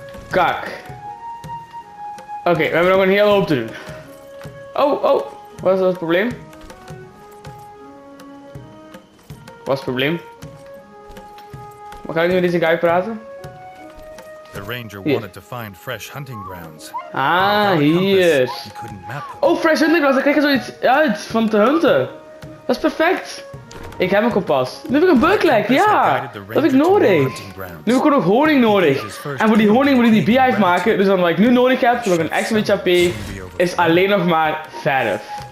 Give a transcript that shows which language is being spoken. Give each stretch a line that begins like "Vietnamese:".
Dutch: Kak. Oké, we hebben nog een hele hoop te doen. Oh, wat is dat probleem? Wat is het probleem? Mag ik nu met deze guy praten?
English: The ranger wanted to find fresh hunting grounds.
Dutch: Ah, hier. Oh,
English: fresh hunting grounds,
Dutch: daar krijg je zoiets uit van te hunten. Dat is perfect. Ik heb een kompas. Nu heb ik een buckleg, ja. Dat heb ik nodig. Nu heb ik nog honing nodig. En voor die honing moet ik die beehive maken. Dus dan wat ik nu nodig heb, nog een extra beetje HP, is alleen nog maar verf.